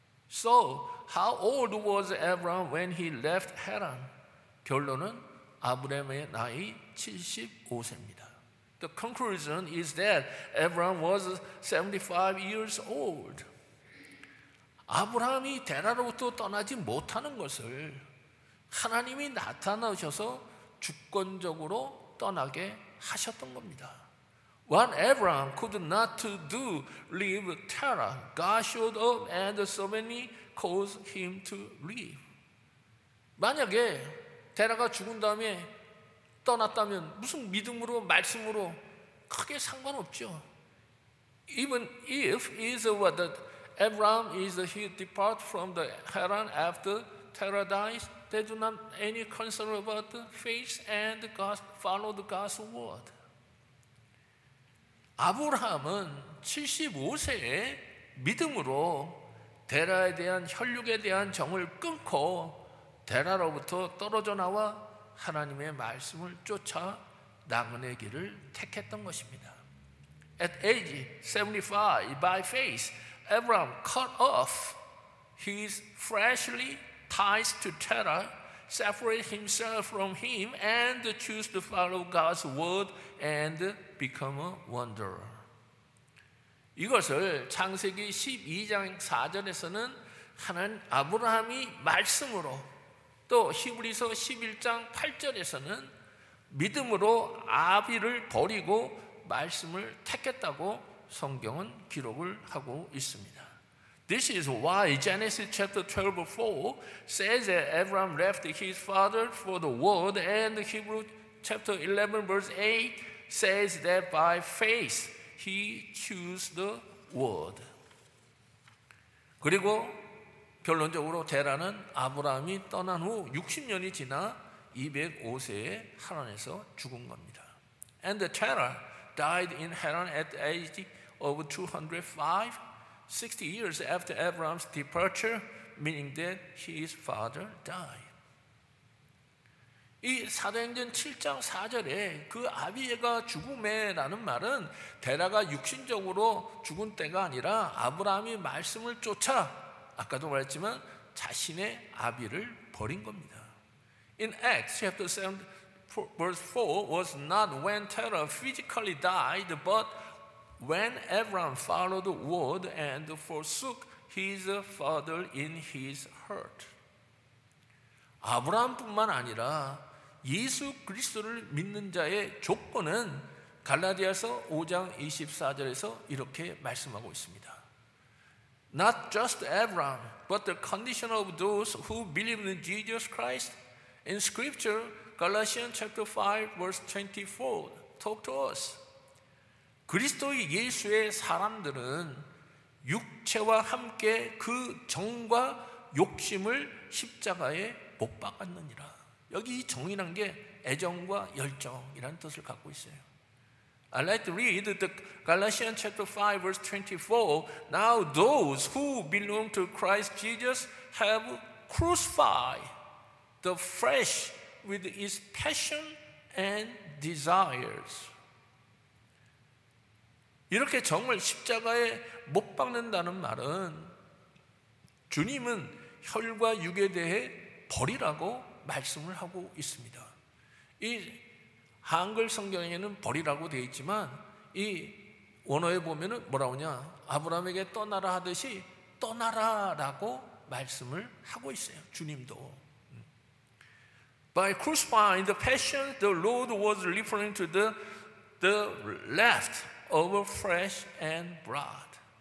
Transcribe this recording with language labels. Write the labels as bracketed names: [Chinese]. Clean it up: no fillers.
[English] So, how old was Abraham when he left Haran? [Korean] 결론은 아브라함의 나이 75세입니다. [English] The conclusion is that Abraham was 75 years old. [Korean] 아브라함이 데라로부터 떠나지 못하는 것을 하나님이 나타나셔서 주권적으로 떠나게 하셨던 겁니다. [English] What Abraham could not do, leave Terah, God showed up and suddenly caused him to leave. [Korean] 만약에 데라가 죽은 다음에 떠났다면 무슨 믿음으로 말씀으로 크게 상관없죠. [English] Even if is what that Abraham is he depart from the Haran after Terah dies, they do not any concern about the faith and God follow the God's word. [Korean] 아브라함은 75세에 믿음으로 데라에 대한 혈육에 대한 정을 끊고 데라로부터 떨어져 나와 하나님의 말씀을 쫓아 나그네 길을 택했던 것입니다. [English] At age 75, by faith, Abraham cut off his fleshly ties to Terah, separated himself from him, and chose to follow God's word and become a wanderer. [Korean] 이것을 창세기 12장 4절에서는 아브라함이 말씀으로 또 히브리서 11장 8절에서는 믿음으로 아비를 버리고 말씀을 택했다고 성경은 기록을 하고 있습니다. [English] This is why Genesis chapter 12, 4 says that Abraham left his father for the world and Hebrews chapter 11, verse 8 says that by faith he chose the world. [Korean] 그리고 결론적으로 데라는 아브라함이 떠난 후 60년이 지나 205세에 하란에서 죽은 겁니다. [English] And Terah died in Haran at the age of 205, 60 years after Abraham's departure, meaning that his father died. [Korean] 이 사도행전 7장 4절에 그 아비가 죽음에라는 말은 데라가 육신적으로 죽은 때가 아니라 아브라함이 말씀을 쫓아 아까도 말했지만 자신의 아비를 버린 겁니다. [English] In Acts chapter 7 verse 4 was not when Terah physically died but when Abraham followed the word and forsook his father in his heart. [Korean] 아브라함뿐만 아니라 예수 그리스도를 믿는 자의 조건은 갈라디아서 5장 24절에서 이렇게 말씀하고 있습니다. [English] Not just Abraham, but the condition of those who believe in Jesus Christ. In scripture, Galatians chapter 5 verse 24 talk to us. [Korean] 그리스도의 예수의 사람들은 육체와 함께 그 정과 욕심을 십자가에 못 박았느니라. 여기 이 정이란 게 애정과 열정이라는 뜻을 갖고 있어요. [English] I'd like to read the Galatians chapter 5 verse 24. Now those who belong to Christ Jesus have crucified the flesh with its passion and desires. [Korean] 이렇게 정을 십자가에 못 박는다는 말은 주님은 혈과 육에 대해 버리라고 말씀을 하고 있습니다. 이 한글 성경에는 버리라고 되어 있지만 이 원어에 보면은 뭐라고 하냐? 아브라함에게 떠나라 하듯이 떠나라라고 말씀을 하고 있어요. 주님도. [English] By crucifying the passion, the Lord was referring to the left of flesh and blood.